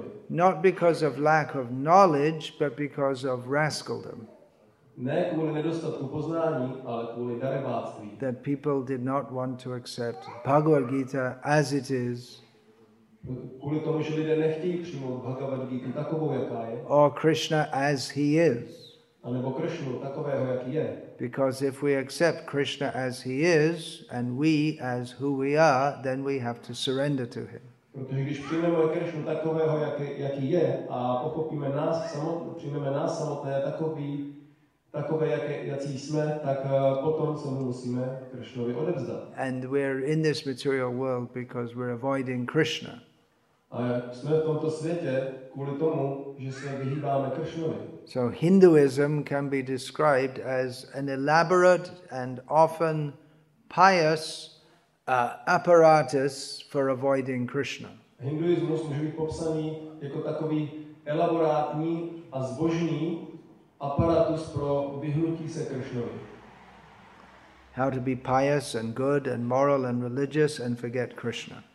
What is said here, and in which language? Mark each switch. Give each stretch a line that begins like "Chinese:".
English: Not because of lack of knowledge, but because of rascaldom.
Czech: Ne kvůli nedostatku poznání, ale kvůli darebáctví.
English: That people did not want to accept Bhagavad Gita as it is.
Czech: Kvůli tomu, že lidé nechtějí přijmout Bhagavad Gita takovou, jaká je.
English: Or Krishna as he is.
Czech: A nebo Krishnu takového, jaký je.
English: Because if we accept Krishna as he is, and we as who we are, then we have to surrender to him.
Czech: Protože když přijmeme Krishnu takového, jaký je, a pochopíme nás samotné, přijmeme nás samotné takové, jaký jsme, tak potom se musíme Krishnovi odevzdat.
English: And we're in this material world because we're avoiding Krishna.
Czech: A jsme v tomto světě kvůli tomu, že se vyhýbáme Krishnovi.
English: So Hinduism can be described as an elaborate and often pious apparatus for avoiding Krishna.
Czech: Hinduismus může být popsaný jako takový elaborátní a zbožný aparatus pro vyhnutí se Krishnovi.
English: How to be pious and good and moral and religious and forget Krishna.